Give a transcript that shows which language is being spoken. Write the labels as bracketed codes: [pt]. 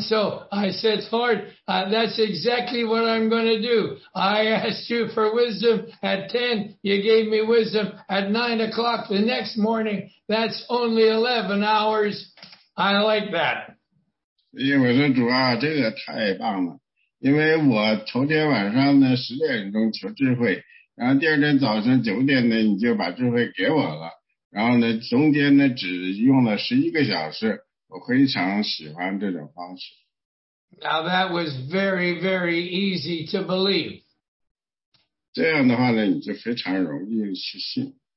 [en] so I said, Lord, that's exactly what I'm going to do. I asked you for wisdom at 10. You gave me wisdom at 9 o'clock the next morning. That's only 11 hours. I like that. [zh] 因为我说，主啊，这个太棒了。因为我头天晚上呢，10点钟求智慧，然后第二天早晨9点呢，你就把智慧给我了。然后呢，中间呢，只用了11个小时，我非常喜欢这种方式。 [en] Now that was very, very easy to believe. [zh] 这样的话呢，你就非常容易去信。